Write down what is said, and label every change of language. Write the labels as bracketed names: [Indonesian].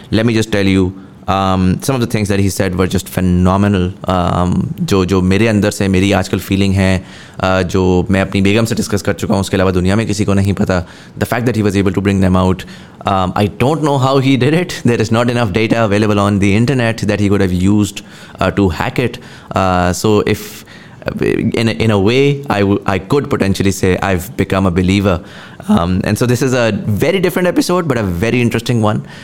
[English] Let me just tell you some of the things that he said were just phenomenal. [Urdu] جو میرے اندر سے میری آج کل فیلنگ ہے جو میں اپنی بیگم سے ڈسکس کر چکا ہوں اس کے علاوہ دنیا میں کسی کو نہیں پتا. [English] The fact that he was able to bring them out, I don't know how he did it. There is not enough data available on the internet that he could have used to hack it. So if in a way I could potentially say I've become a believer. And so this is a very different episode but a very interesting one.